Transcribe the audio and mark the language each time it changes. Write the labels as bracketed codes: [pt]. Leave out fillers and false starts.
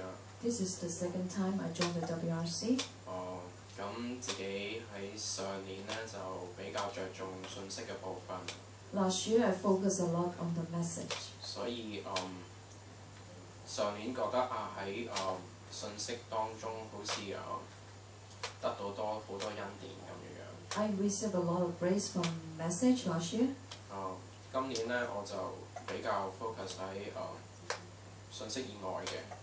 [en] 啦。This is the second time I joined the WRC. [yue] 咁自己喺上年咧就比較著重信息嘅部分。Last [en] year I focus a lot on the message. [yue] 所以上年覺得喺信息當中好似得到好多恩典咁樣。 [en] I received a lot of grace from message last year. [yue] 今年咧我就。比較 focus 喺信息以外嘅。